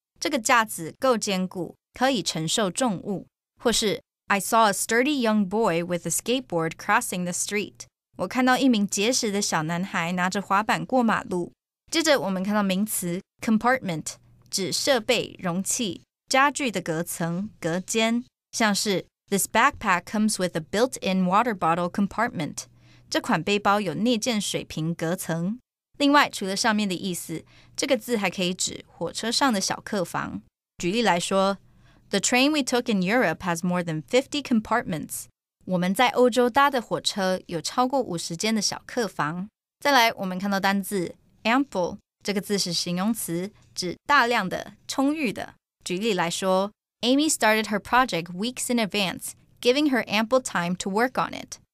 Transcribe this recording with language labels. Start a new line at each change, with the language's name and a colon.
Chinese: 这个架子够坚固，可以承受重物。或是
English: I saw a sturdy young boy with a skateboard crossing the street.
Chinese: 我看到一名结实的小男孩拿着滑板过马路。接着我们看到名词 compartment， 指设备、容器、家具的隔层、隔间，像是
English: This backpack comes with a built-in water bottle compartment.
Chinese: 这款背包有内建水瓶隔层。另外，除了上面的意思，这个字还可以指火车上的小客房。举例来说
English: ，The train we took in Europe has more than 50 compartments.
Chinese: 我们在欧洲搭的火车有超过50间的小客房。再来，我们看到单字。Ample 这个字是形容词，指大量的、充裕的。举例来说
English: ，Amy started her project weeks in advance, giving her ample time to work on it.